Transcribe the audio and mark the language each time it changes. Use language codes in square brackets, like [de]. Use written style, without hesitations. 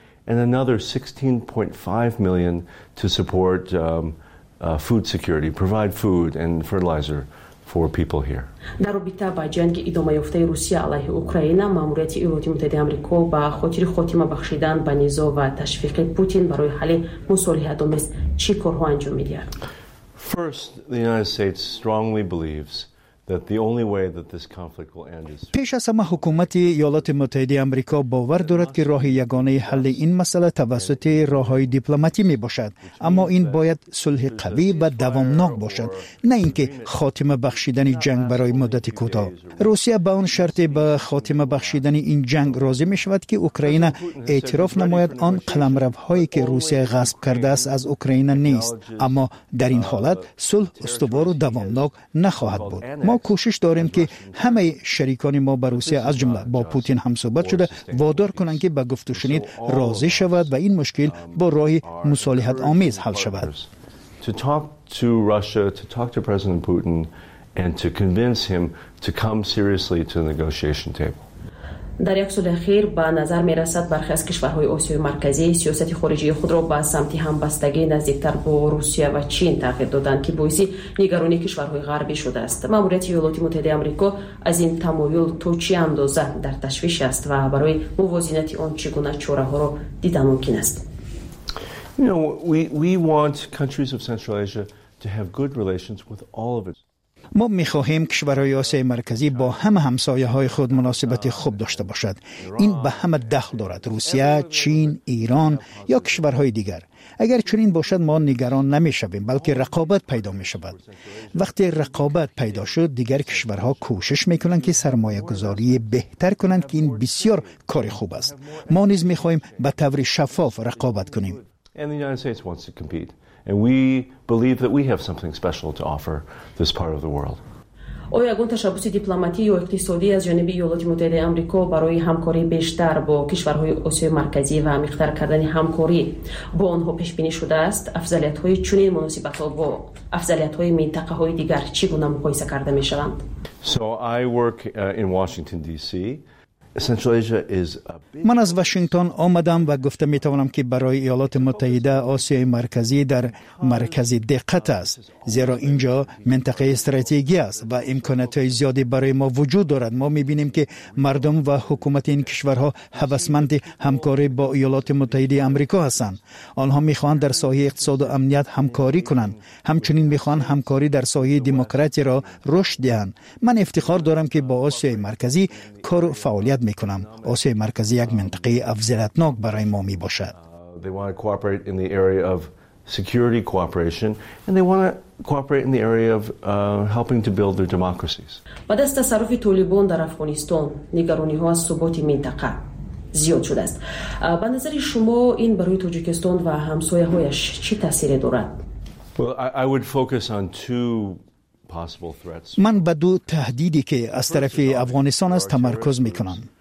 [en] And another 16.5 million to support food security, provide food and fertilizer for people here. [fa] در رابطه با جنگ ادامه یافته روسیه علیه اوکراین، ماموریت ایالات متحده آمریکا با خاطر خاتمه بخشیدن به نزاع و تشویق پوتین برای حل مصالحه‌آمیز چی کارها انجام می‌دهد؟ [en] First, the United States strongly believes that the only way that this conflict will end is [fa] پیش از همه حکومت ایالات متحده آمریکا باور دارد که راه یگانه حل این مسئله توسط راه‌های دیپلماتیک میباشد، اما این باید صلح قوی و دوامناک باشد، نه اینکه خاتمه بخشیدن جنگ برای مدت کوتاه. روسیه به آن شرط به خاتمه بخشیدن این جنگ راضی میشود که اوکراین اعتراف نماید آن قلمروهایی که روسیه غصب کرده است از اوکراین نیست، اما در این حالت صلح استوار و دوامناک نخواهد بود. ما کوشش داریم که همه شریکان ما به روسیه از جمله با پوتین هم صحبت شده وادار کنند که به گفت و شنید راضی شود و این مشکل با راه مصالحت آمیز حل شود. [en] To talk to Russia, to talk to President Putin and to convince him to come seriously to the negotiation table. [fa] در یک سال اخیر به نظر می رسد برخی از کشورهای آسیای مرکزی سیاست خارجی خود را به سمت همبستگی نزدیکتر با روسیه و چین تغییر دادند که باعث نگرانی کشورهای غربی شده است. ماموریت ایالات متحده آمریکا از این تمایل تا چه اندازه در تشویش است و برای موازنت آن چگونه چاره ها را دیده ممکن است؟ [en] We want countries of Central Asia to have good relations with all of its. [fa] ما می خواهیم کشورهای آسیای مرکزی با همه همسایه های خود مناسبت خوب داشته باشد. این به همه دخل دارد، روسیه، چین، ایران یا کشورهای دیگر. اگر چنین باشد ما نگران نمی شویم، بلکه رقابت پیدا می شود. وقتی رقابت پیدا شد دیگر کشورها کوشش می کنند که سرمایه گذاری بهتر کنند، که این بسیار کار خوب است. ما نیز می خواهیم به طور شفاف رقابت کنیم. [en] And we believe that we have something special to offer this part of the world. [fa] آیا گونه تشبث دیپلماتیک و اقتصادی از جانب ایالات متحده آمریکا برای همکاری بیشتر با کشورهای آسیای مرکزی و عمیق‌تر کردن همکاری با آنها پیش بینی شده است؟ افضلیت‌های چنین مناسبت‌ها با افضلیت‌های منطقه‌های دیگر چگونه مقایسه کرده می‌شوند؟ [en] So I work in Washington DC. Central Asia is a big. [fa] من از واشنگتن آمدم و گفته می توانم که برای ایالات متحده آسیای مرکزی در مرکز دقت است، زیرا اینجا منطقه استراتژی است و امکانات زیادی برای ما وجود دارد. ما می بینیم که مردم و حکومت این کشورها هوسمند همکاری با ایالات متحده آمریکا هستند. آنها می خواهند در سایه اقتصاد و امنیت همکاری کنند، همچنین می خواهند همکاری در سایه دموکراسی را رشد دهند. من افتخار دارم که با آسیای مرکزی کار فعال میکنم. آسیای مرکزی یک منطقه افضلیتناک برای ما می باشد. [en] They want to cooperate in the area of security cooperation and they want to cooperate in the area of helping to build their democracies. [fa] بعد از تصرف طالبان در افغانستان نگرانی ها از ثبات منطقه زیاد شده است. به نظر شما این برای تاجیکستان و همسایه هایش چی تاثیر دارد؟ [en] Well, I would focus on two. [fa] من به دو تهدیدی که از طرف افغانستان است تمرکز میکنم.